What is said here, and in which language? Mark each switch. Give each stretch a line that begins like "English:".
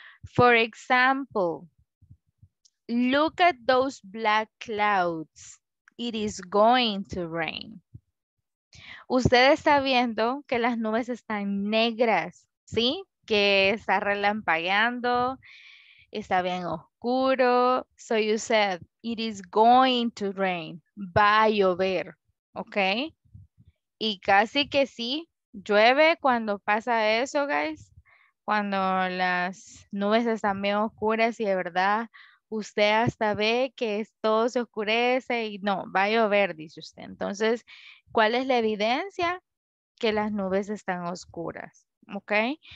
English: For example, look at those black clouds. It is going to rain.
Spanish: Usted está viendo que las nubes están negras, ¿sí? Que está relampagueando, está bien oscuro.
English: So you said, it is going to rain.
Spanish: Va a llover, ¿ok? Y casi que sí, llueve cuando pasa eso, guys. Cuando las nubes están bien oscuras y de verdad... Usted hasta ve que todo se oscurece y no, va a llover, dice usted. Entonces, ¿cuál es la evidencia? Que las nubes están oscuras, ¿ok?